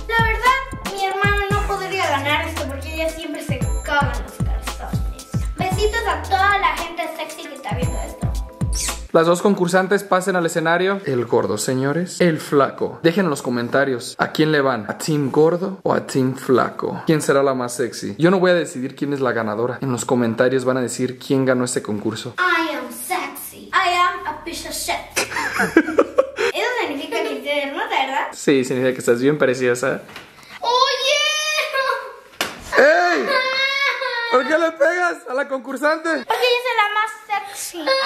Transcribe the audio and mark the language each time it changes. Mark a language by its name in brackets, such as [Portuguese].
[Spanish] La verdad, mi hermana no podría ganar esto porque ella siempre se caga en los calzones. Besitos a toda la gente sexy que está viendo esto. Las dos concursantes pasen al escenario. El gordo, señores. El flaco. Dejen en los comentarios, ¿a quién le van? ¿A team gordo o a team flaco? ¿Quién será la más sexy? Yo no voy a decidir quién es la ganadora. En los comentarios van a decir quién ganó este concurso. [English] I am sexy. I am a piece of shit. [Spanish] ¿Eso significa que eres una perra? Sí, significa que estás bien preciosa. ¡Oye! ¡Ey! ¿Por qué le pegas a la concursante? Porque ella es la más sexy.